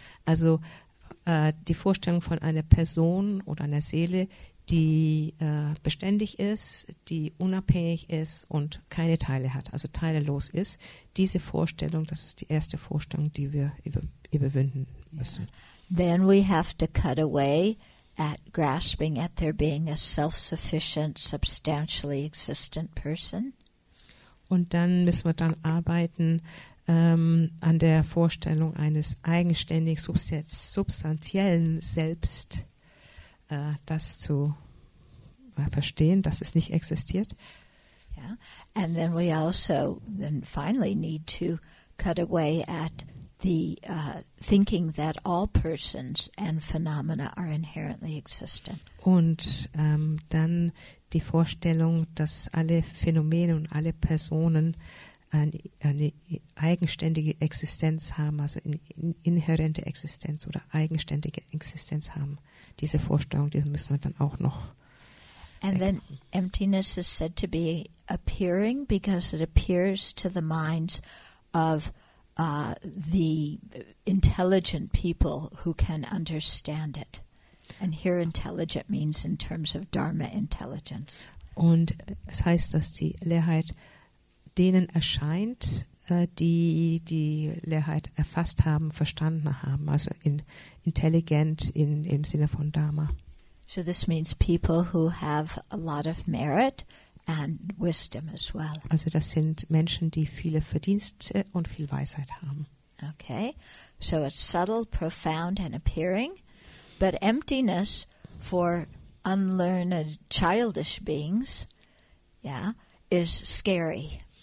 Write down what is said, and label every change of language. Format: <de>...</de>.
<de>Also die Vorstellung von einer Person oder einer Seele, die beständig ist, die unabhängig ist und keine Teile hat, also teillos ist. Diese Vorstellung, das ist die erste Vorstellung, die wir überwinden müssen.</de> <en>Yeah. Then we have to cut away at grasping at there being a self-sufficient, substantially existent person.</en> <de>Und dann müssen wir dann arbeiten an der Vorstellung eines eigenständig substanziellen Selbst, das zu verstehen, dass es nicht existiert.</de> <en>Yeah. And then we also then finally need to cut away at the thinking that all persons and phenomena are inherently existent.</en> <de>Und dann die Vorstellung, dass alle Phänomene und alle Personen eine eigenständige Existenz haben, also inhärente Existenz oder eigenständige Existenz haben. Diese Vorstellung, die müssen wir dann auch noch.</de> <en>And then emptiness is said to be appearing because it appears to the minds of the intelligent people who can understand it. And here intelligent means in terms of Dharma intelligence.</en> <de>Und es heißt, dass die Leerheit denen erscheint, die die Leerheit erfasst haben, verstanden haben, also intelligent im Sinne von Dharma.</de> <en>So this means people who have a lot of merit and wisdom as well.</en> <de>Also das sind Menschen, die viele Verdienste und viel Weisheit haben.</de> <en>Okay, so it's subtle, profound and appearing, but emptiness for unlearned childish beings, yeah, is scary.</en>